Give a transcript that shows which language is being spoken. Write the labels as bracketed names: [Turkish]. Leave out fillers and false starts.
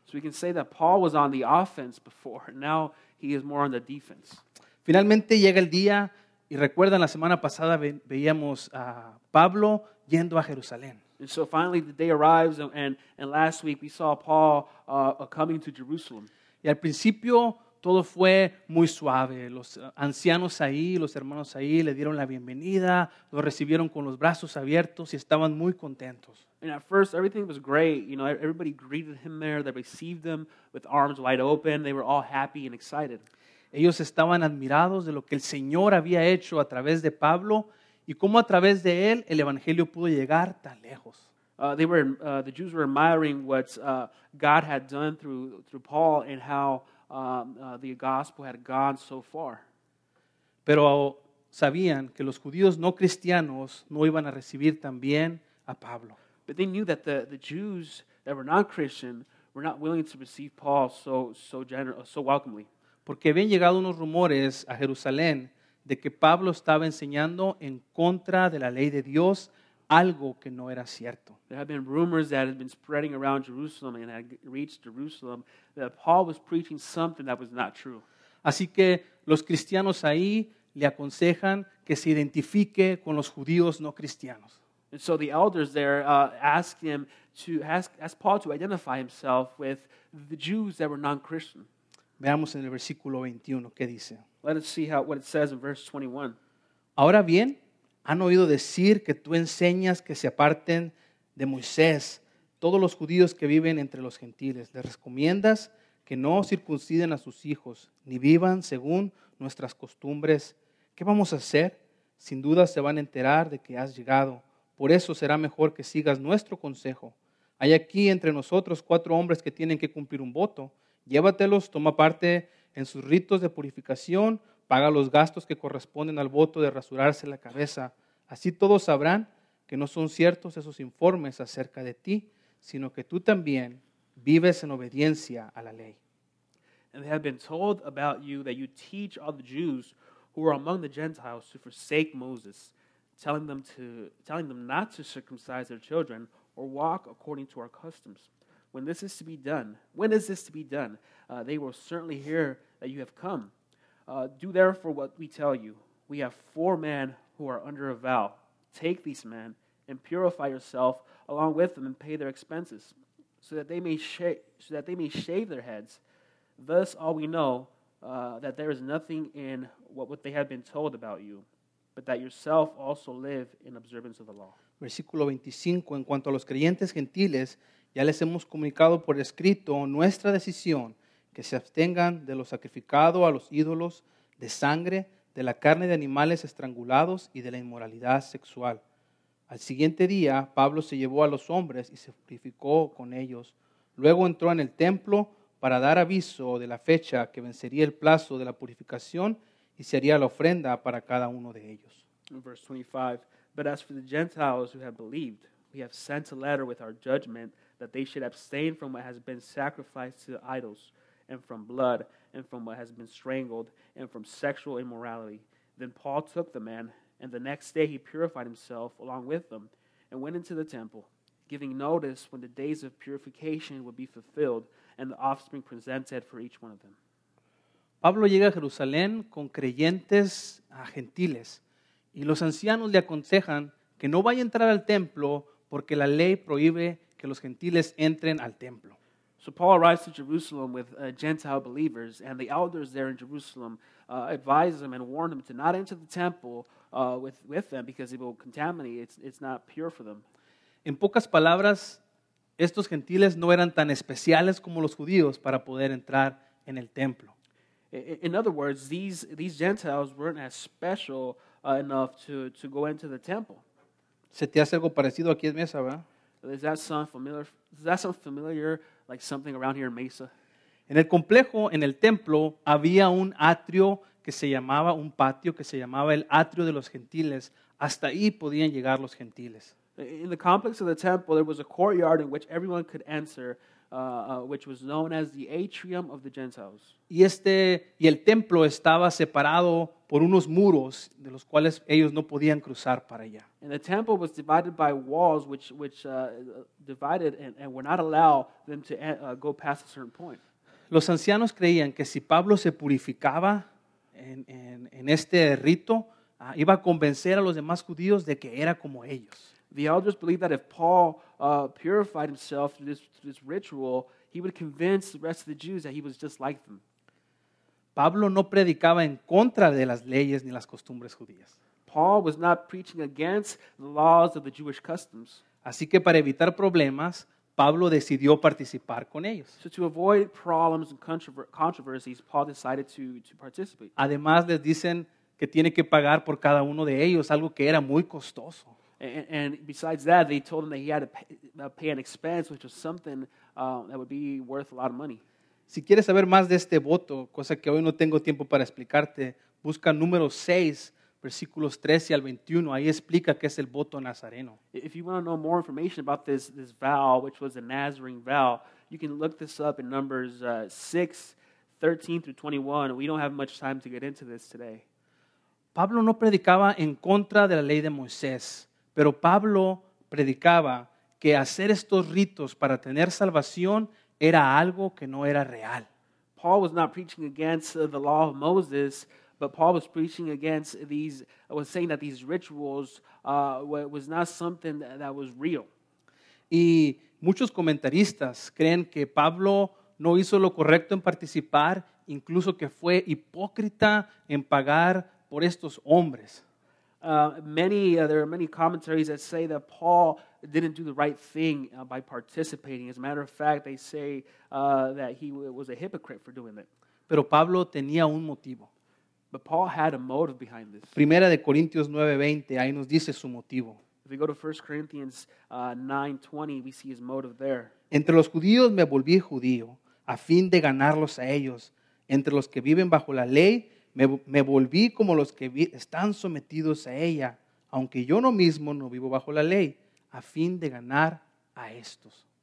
[English] So we can say that Paul was on the offense before, now he is more on the defense. [Spanish] Finalmente llega el día, y recuerdan la semana pasada veíamos a Pablo yendo a Jerusalén. [English] And so finally the day arrives, and last week we saw Paul coming to Jerusalem. [Spanish] Y al principio todo fue muy suave. Los ancianos ahí, los hermanos ahí, le dieron la bienvenida, lo recibieron con los brazos abiertos y estaban muy contentos. [English] And at first everything was great. You know, everybody greeted him there, they received him with arms wide open, they were all happy and excited. [Spanish] Ellos estaban admirados de lo que el Señor había hecho a través de Pablo y cómo a través de él el evangelio pudo llegar tan lejos. [English] The Jews were admiring what God had done through Paul and how the gospel had gone so far. [Spanish] Pero sabían que los judíos no cristianos no iban a recibir tan bien a Pablo. [English] But they knew that the Jews that were not Christian were not willing to receive Paul so welcomely. [Spanish] Porque habían llegado unos rumores a Jerusalén de que Pablo estaba enseñando en contra de la ley de Dios, algo que no era cierto. [English] There have been rumors that had been spreading around Jerusalem and had reached Jerusalem that Paul was preaching something that was not true. [Spanish] Así que los cristianos ahí le aconsejan que se identifique con los judíos no cristianos. [English] And so the elders there ask Paul to identify himself with the Jews that were non-Christian. [Spanish] Veamos en el versículo 21 qué dice. [English] Let us see what it says in verse 21. [Spanish] Ahora bien, han oído decir que tú enseñas que se aparten de Moisés todos los judíos que viven entre los gentiles. Les recomiendas que no circunciden a sus hijos ni vivan según nuestras costumbres. ¿Qué vamos a hacer? Sin duda se van a enterar de que has llegado. Por eso será mejor que sigas nuestro consejo. Hay aquí entre nosotros cuatro hombres que tienen que cumplir un voto. Llévatelos, toma parte en sus ritos de purificación, paga los gastos que corresponden al voto de rasurarse la cabeza. Así todos sabrán que no son ciertos esos informes acerca de ti, sino que tú también vives en obediencia a la ley. [English] And they have been told about you that you teach all the Jews who are among the Gentiles to forsake Moses, telling them not to circumcise their children or walk according to our customs. when this is to be done? When is this to be done? They will certainly hear that you have come. Do therefore what we tell you. We have four men who are under a vow. Take these men and purify yourself along with them and pay their expenses so that they may shave their heads. Thus all we know that there is nothing in what they have been told about you, but that yourself also live in observance of the law. [Spanish] Versículo 25, en cuanto a los creyentes gentiles, ya les hemos comunicado por escrito nuestra decisión que se abstengan de lo sacrificado a los ídolos de sangre, de la carne de animales estrangulados y de la inmoralidad sexual. Al siguiente día, Pablo se llevó a los hombres y se purificó con ellos. Luego entró en el templo para dar aviso de la fecha que vencería el plazo de la purificación y se haría la ofrenda para cada uno de ellos. [English] Verse 25, but as for the Gentiles who have believed, we have sent a letter with our judgment that they should abstain from what has been sacrificed to the idols, and from blood, and from what has been strangled, and from sexual immorality. Then Paul took the man, and the next day he purified himself along with them, and went into the temple, giving notice when the days of purification would be fulfilled, and the offspring presented for each one of them. [Spanish] Pablo llega a Jerusalén con creyentes gentiles, y los ancianos le aconsejan que no vaya a entrar al templo, porque la ley prohíbe que los gentiles entren al templo. [English] So Paul arrives to Jerusalem with Gentile believers, and the elders there in Jerusalem advise him and warn him to not enter the temple with them because it will contaminate. It's not pure for them. [Spanish] En pocas palabras, estos gentiles no eran tan especiales como los judíos para poder entrar en el templo. [English] In other words, these Gentiles weren't as special enough to go into the temple. [Spanish] ¿Se te hace algo parecido aquí en Mesa, verdad? [English] Does that sound familiar, like something around here in Mesa? [Spanish] En el complejo, en el templo, había un atrio que se llamaba, un patio que se llamaba el atrio de los gentiles. Hasta ahí podían llegar los gentiles. [English] In the complex of the temple, there was a courtyard in which everyone could enter, which was known as the atrium of the Gentiles. [Spanish] Y el templo estaba separado por unos muros de los cuales ellos no podían cruzar para allá. [English] And the temple was divided by walls which divided and were not allow them to go past a certain point. [Spanish] Los ancianos creían que si Pablo se purificaba en este rito, iba a convencer a los demás judíos de que era como ellos. [English] The elders believed that if Paul purified himself through this ritual, he would convince the rest of the Jews that he was just like them. [Spanish] Pablo no predicaba en contra de las leyes ni las costumbres judías. [English] Paul was not preaching against the laws of the Jewish customs. [Spanish] Así que para evitar problemas, Pablo decidió participar con ellos. [English] So to avoid problems and controversies, Paul decided to participate. [Spanish] Además, les dicen que tiene que pagar por cada uno de ellos, algo que era muy costoso. [English] And besides that, they told him that he had to pay an expense, which was something that would be worth a lot of money. [Spanish] Si quieres saber más de este voto, cosa que hoy no tengo tiempo para explicarte, busca número 6, versículos 13 al 21. Ahí explica qué es el voto nazareno. [English] If you want to know more information about this vow, which was a Nazarene vow, you can look this up in Numbers 6, 13 through 21. We don't have much time to get into this today. [Spanish] Pablo no predicaba en contra de la ley de Moisés, pero Pablo predicaba que hacer estos ritos para tener salvación era algo que no era real. [English] Paul was not preaching against the law of Moses, but Paul was preaching against saying that these rituals was not something that was real. [Spanish] Y muchos comentaristas creen que Pablo no hizo lo correcto en participar, incluso que fue hipócrita en pagar por estos hombres. [English] There are many commentaries that say that Paul didn't do the right thing by participating. As a matter of fact, they say that he was a hypocrite for doing it. [Spanish] Pero Pablo tenía un motivo. [English] But Paul had a motive behind this. [Spanish] Primera de Corintios 9:20, ahí nos dice su motivo. [English] If we go to 1 Corinthians 9:20, we see his motive there. [Spanish] Entre los judíos me volví judío a fin de ganarlos a ellos. Entre los que viven bajo la ley, me volví como los que están sometidos a ella, aunque yo no mismo no vivo bajo la ley, a fin de ganar a estos.